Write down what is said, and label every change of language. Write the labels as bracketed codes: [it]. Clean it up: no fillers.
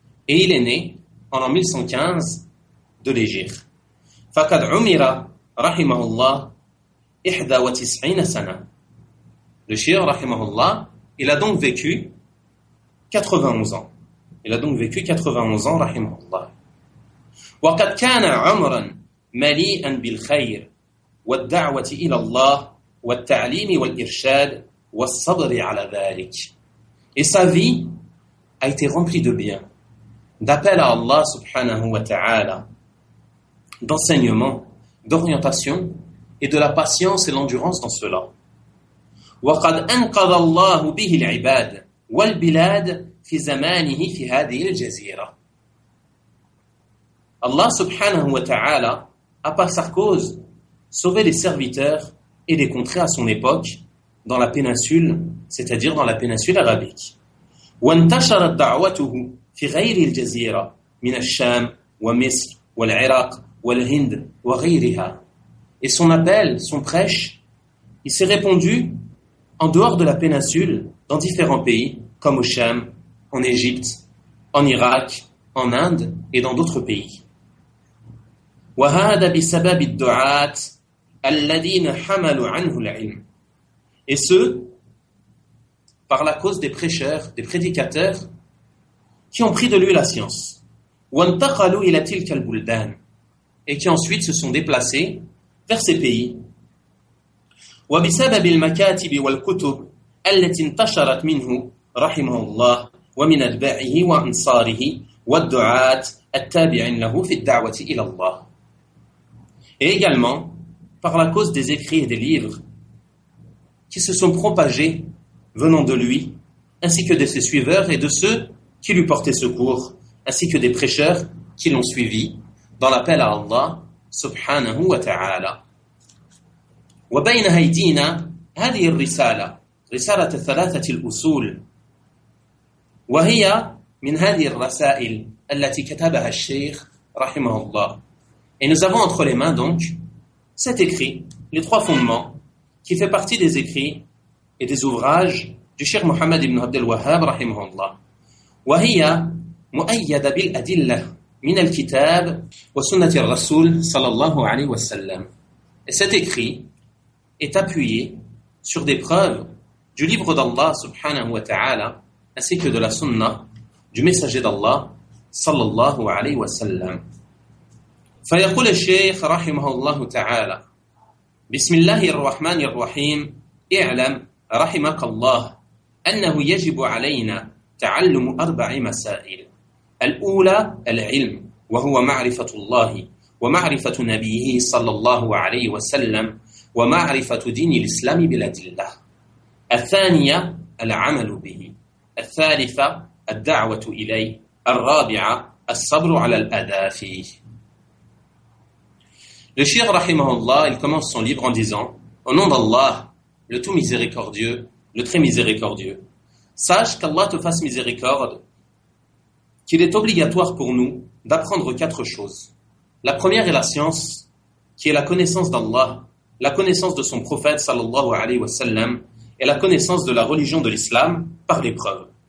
[fr] Et il est né en 1115 de l'Égir. [ar] فقد عمر رحمه الله 91 سنة. [fr] Le Shir, رحمه الله, il a donc vécu 91 ans. Il a donc vécu 91 ans, رحمه الله. [ar] وقد كان عمرا مليئا بالخير والدعوة إلى الله والتعليم والإرشاد والصبر على ذلك. [fr] Et sa vie a été remplie de bien, d'appel à Allah subhanahu wa ta'ala, d'enseignement, d'orientation et de la patience et l'endurance dans cela. [ar] وقد أنقذ الله به العباد والبلاد في زمانه في هذه الجزيرة. [fr] Allah subhanahu wa ta'ala a par sa cause sauvé les serviteurs et les contrées à son époque dans la péninsule, c'est-à-dire dans la péninsule arabique. [ar] وانتشرت دعوته في غير الجزيرة من الشام ومصر والعراق والهند وغيرها. [fr] Et son appel, son prêche, il s'est répandu en dehors de la péninsule dans différents pays comme au Cham, en Égypte, en Irak, en Inde et dans d'autres pays. [ar] وهذا بسبب الدعاة الذين حملوا عنه العلم. [fr] Et ce, par la cause des prêcheurs, des prédicateurs, qui ont pris de lui la science. [ar] وانتقلوا إلى تلك البلدان. [fr] Et qui ensuite se sont déplacés vers ces pays. [ar] وبسبب المكاتب والكتب التي انتشرت منه رحمه الله ومن أتباعه وأنصاره والدعاة التابعين له في الدعوة إلى الله. [fr] Et également par la cause des écrits et des livres qui se sont propagés venant de lui, ainsi que de ses suiveurs et de ceux qui lui portaient secours, ainsi que des prêcheurs qui l'ont suivi dans l'appel à Allah subhanahu wa ta'ala. [ar] وبين أيدينا هذه الرسالة رسالة الثلاثة الأصول وهي من هذه الرسائل التي كتبها الشيخ رحمه الله. [fr] Et nous avons entre les mains donc cet écrit, les trois fondements, qui fait partie des écrits et des ouvrages du Cheikh Mohammed ibn Abdel Wahhab, rahimahullah. [ar] وهي مؤيدة بالأدلة من الكتاب وسنة الرسول صلى الله عليه وسلم. [fr] Et cet écrit est appuyé sur des preuves du livre d'Allah subhanahu wa ta'ala ainsi que de la sunnah du messager d'Allah صلى الله عليه وسلم. [ar] فيقول الشيخ رحمه الله تعالى بسم الله الرحمن الرحيم اعلم رحمك الله أنه يجب علينا تعلم أربع مسائل. الأولى العلم وهو معرفة الله ومعرفة نبيه صلى الله عليه وسلم ومعرفة دين الإسلام بالأدلة. الثانية العمل به. الثالثة الدعوة إليه. الرابعة الصبر على الأذى فيه. [fr] Le Shir, rahimahullah, il commence son livre en disant « Au nom d'Allah, le tout miséricordieux, le très miséricordieux, sache qu'Allah te fasse miséricorde, qu'il est obligatoire pour nous d'apprendre quatre choses. La première est la science, qui est la connaissance d'Allah, la connaissance de son prophète, sallallahu alayhi wa sallam, et la connaissance de la religion de l'islam par l'épreuve.